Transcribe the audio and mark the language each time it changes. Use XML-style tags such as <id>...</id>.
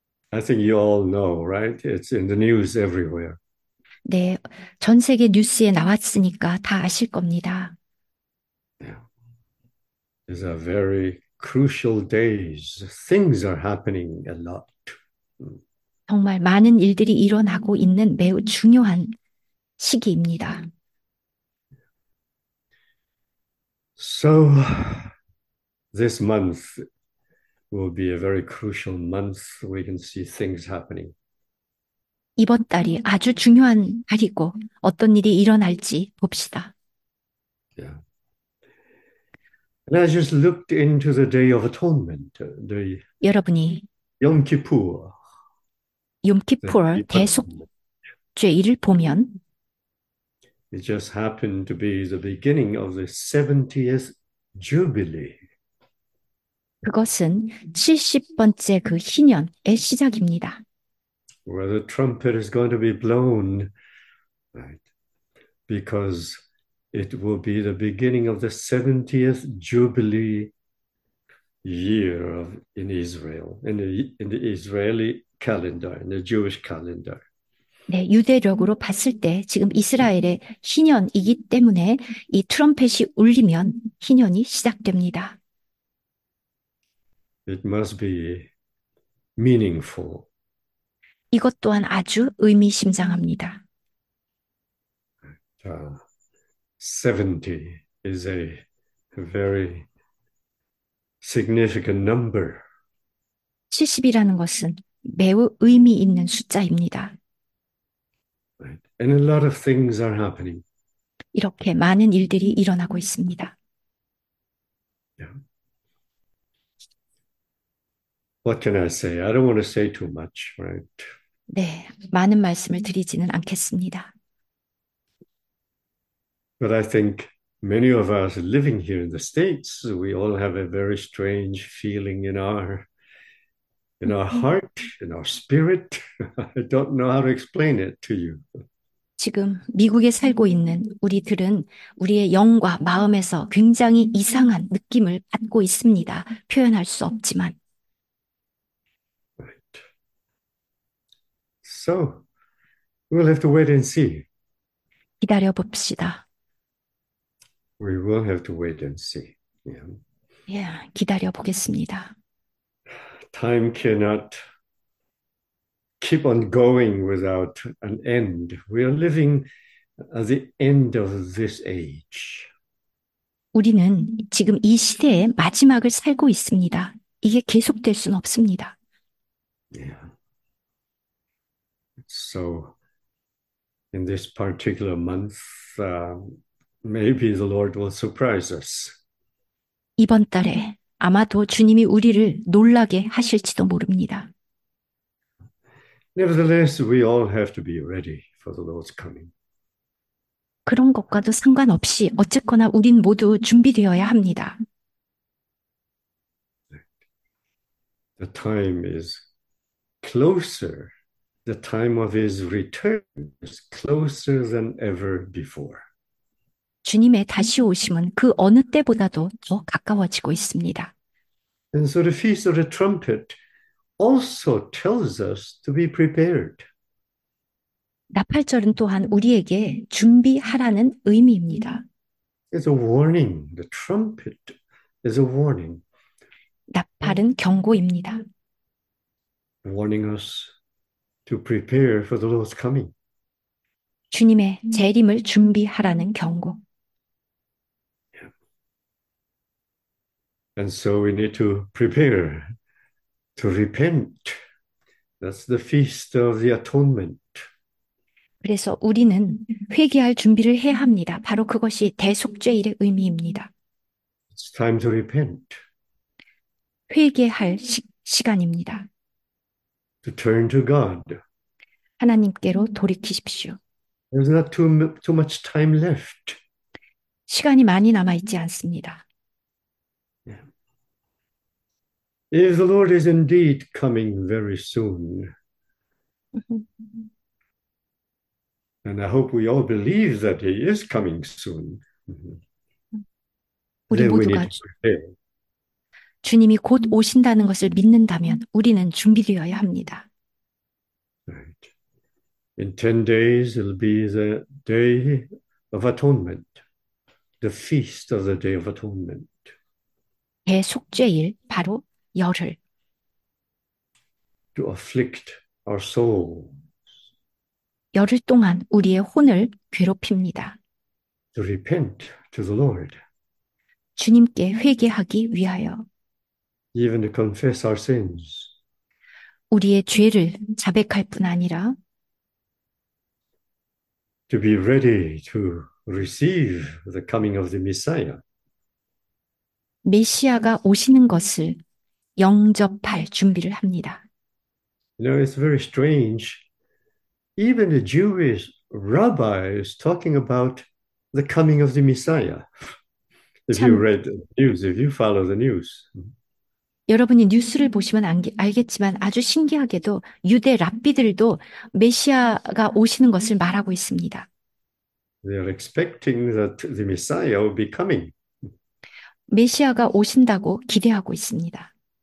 <en>I think you all know, right? It's in the news everywhere.</en> <ko>네, 전 세계 뉴스에 나왔으니까 다 아실 겁니다.</ko> <en>These are very crucial days. Things are happening a lot.</en> <ko>정말 많은 일들이 일어나고 있는 매우 중요한 시기입니다.</ko> <en>So, this month will be a very crucial month. We can see things happening.</en> <ko>이번 달이 아주 중요한 달이고 어떤 일이 일어날지 봅시다.</ko> <en>And I just looked into the Day of Atonement, the</en> <ko>여러분이</ko> <en>Yom Kippur, the</en> <ko>욤키푸르</ko> <en>Atonement.</en> <ko>대속죄일을 보면</ko> <en>It just happened to be the beginning of the 70th Jubilee.</en> <ko>그것은 70번째 그 희년의 시작입니다.</ko> <en>Where the trumpet is going to be blown, right? Because it will be the beginning of the 70th Jubilee year of in Israel, in the Israeli calendar, in the Jewish calendar.</en> <ko>네, 유대력으로 봤을 때 지금 이스라엘의 희년이기 때문에 이 트럼펫이 울리면 희년이 시작됩니다.</ko> <en>It must be meaningful.</en> <ko>이것 또한 아주 의미심장합니다.</ko> <en>70 is a very significant number.</en> <ko>70이라는 것은 매우 의미 있는 숫자입니다.</ko> <en>Right. And a lot of things are happening.</en> <ko>이렇게 많은 일들이 일어나고 있습니다.</ko> <en>What can I say? I don't want to say too much, right?</en> <ko>네, 많은 말씀을 드리지는 않겠습니다.</ko> <en>But I think many of us living here in the States, we all have a very strange feeling in our heart, in our spirit. I don't know how to explain it to you.</en> <ko>지금 미국에 살고 있는 우리들은 우리의 영과 마음에서 굉장히 이상한 느낌을 받고 있습니다. 표현할 수 없지만.</ko> <en>So, we'll have to wait and see.</en> <ko>기다려 봅시다.</ko> <en>We will have to wait and see.</en> <ko>Yeah, 기다려 보겠습니다.</ko> <en>Time cannot keep on going without an end. We are living at the end of this age.</en> <ko>우리는 지금 이 시대의 마지막을 살고 있습니다. 이게 계속될 순 없습니다.</ko> <en>So, in this particular month, maybe the Lord will surprise us.</en> <ko>이번 달에 아마도 주님이 우리를 놀라게 하실지도 모릅니다.</ko> <en>Nevertheless, we all have to be ready for the Lord's coming.</en> <ko>그런 것과도 상관없이 어쨌거나 우린 모두 준비되어야 합니다.</ko> <en>The time is closer. The time of his return is closer than ever before.</en> <ko>주님의 다시 오심은 그 어느 때보다도 더 가까워지고 있습니다.</ko> <en>And so the Feast of the Trumpet also tells us to be prepared.</en> <ko>나팔절은 또한 우리에게 준비하라는 의미입니다.</ko> <en>It's a warning. The trumpet is a warning.</en> <ko>나팔은 경고입니다.</ko> <en>Warning us to prepare for the Lord's coming.</en> <ko>주님의 재림을 준비하라는 경고.</ko> <en>And so we need to prepare to repent. That's the Feast of the Atonement.</en> <ko>그래서 우리는 회개할 준비를 해야 합니다. 바로 그것이 대속죄일의 의미입니다.</ko> <en>It's time to repent.</en> <ko>회개할 시간입니다.</ko> <en>To turn to God.</en> <ko>하나님께로 돌이키십시오.</ko> <en>There's not too much time left.</en> <ko>시간이 많이 남아 있지 않습니다.</ko> <en>If the Lord is indeed coming very soon, and I hope we all believe that He is coming soon,</en> <ko>우리</ko> <en>then we need</en> <ko>모두가</ko> <en>to prepare.</en> <ko>주님이 곧 오신다는 것을 믿는다면 우리는 준비되어야 합니다.</ko> <en>In 10 days, it'll be the Day of Atonement, the Feast of the Day of Atonement.</en> <ko>대속죄일 바로 열흘.</ko> <en>To afflict our souls,</en> <ko>열흘 동안 우리의 혼을 괴롭힙니다.</ko> <en>to repent to the Lord,</en> <ko>주님께 회개하기 위하여</ko> <en>even to confess our sins.</en> <ko>우리의 죄를 자백할 뿐 아니라</ko> <en>To be ready to receive the coming of the Messiah.</en> <ko>메시아가 오시는 것을 영접할 준비를 합니다.</ko> <en>It's very strange. Even the Jewish rabbi is talking about the coming of the Messiah. If you</en> <ko>참,</ko> <en>read the news, if you follow the news.</en> <ko>여러분이 뉴스를 보시면 알겠지만 아주 신기하게도 유대 랍비들도 메시아가 오시는 것을 말하고 있습니다.</ko> <en>They are expecting that the Messiah will be coming.</en> <ko>메시아가 오신다고 기대하고 있습니다.</ko>